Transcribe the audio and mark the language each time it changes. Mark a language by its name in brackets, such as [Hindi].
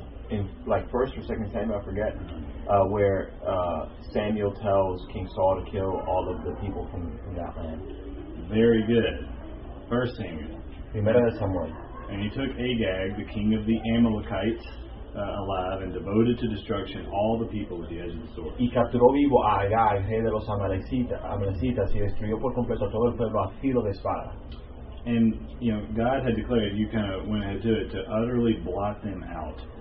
[English] In like first or second Samuel, I forget, where Samuel tells King Saul to kill all of the people from that land. Very good. First Samuel. He met him somewhere. And he took Agag, the king of the Amalekites, alive and devoted to destruction all the people at the edge of the sword. [Spanish] Y capturó vivo a Agag, rey de los Amalecitas, y destruyó por completo todo el pueblo a filo de espada. [English] And, you know, God had declared, you kind of went ahead to it, to utterly blot them out.